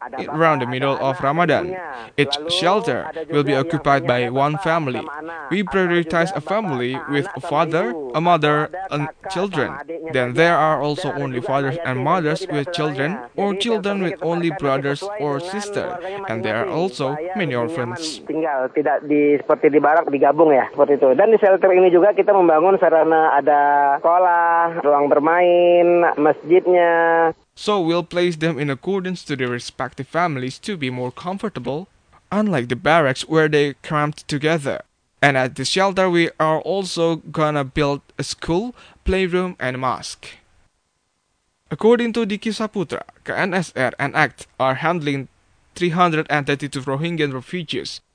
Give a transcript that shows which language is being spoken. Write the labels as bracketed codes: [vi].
[en] around the middle of Ramadan. Each shelter will be occupied by one family. We prioritize a family with a father, a mother, and children. Then there are also only fathers and mothers with children, or children with only brothers or sisters, and there are also many orphans. [id] Tinggal tidak di seperti di barak digabung ya seperti itu. Dan di shelter ini juga kita membangun sarana ada sekolah, ruang bermain, masjidnya. [en] So we'll place them in accordance to their respective families to be more comfortable, unlike the barracks where they cramped together. And at the shelter, we are also gonna build a school, playroom, and mosque. According to Diki Saputra, KNSR and ACT are handling 332 Rohingya refugees.